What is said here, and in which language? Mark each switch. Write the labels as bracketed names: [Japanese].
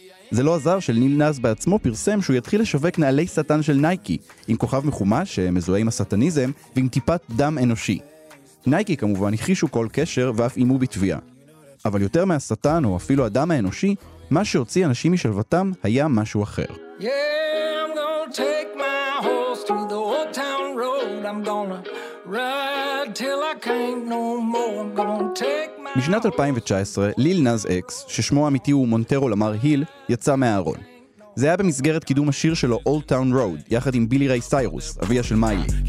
[Hebrew] זה לא עזר של ליל נז בעצמו פרסם שהוא יתחיל לשווק נעלי שטן של נייקי, עם כוכב מחומה שמזוהה עם הסטניזם ועם טיפת דם אנושי. נייקי כמובן הכחישו כל קשר ואף אימו בתביעה. אבל יותר מהשטן או אפילו הדם האנושי, מה שהוציא אנשים משלוותם היה משהו אחר. [English] I'm gonna take my horse through the old town road. I'm gonna ride till I can't no more. I'm gonna take [Hebrew] משנת 2019, ליל נז אקס, ששמו האמיתי הוא מונטרו למר היל, יצא מהארון. זה היה במסגרת קידום השיר שלו Old Town Road, יחד עם בילי ריי סיירוס, אביה של מיילי.